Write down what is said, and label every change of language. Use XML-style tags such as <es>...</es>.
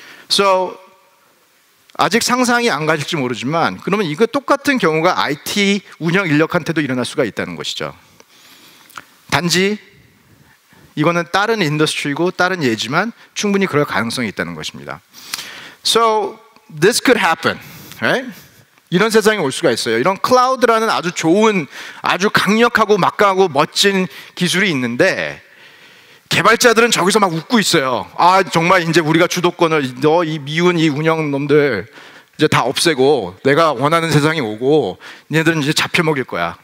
<ko>So 아직 상상이 안 가실지 모르지만 그러면 이거 똑같은 경우가 IT 운영 인력한테도 일어날 수가 있다는 것이죠. 단지 이거는 다른 인더스트리고 다른 예지만 충분히 그럴 가능성이 있다는 것입니다.</ko> <en>So this could happen, right?</en> <ko>이런 세상이 올 수가 있어요. 이런 클라우드라는 아주 좋은, 아주 강력하고 막강하고 멋진 기술이 있는데 개발자들은 저기서 막 웃고 있어요. 아 정말 이제 우리가 주도권을 너 이 미운 이 운영 놈들 이제 다 없애고 내가 원하는 세상이 오고 얘들은 이제 잡혀 먹일 거야.</ko>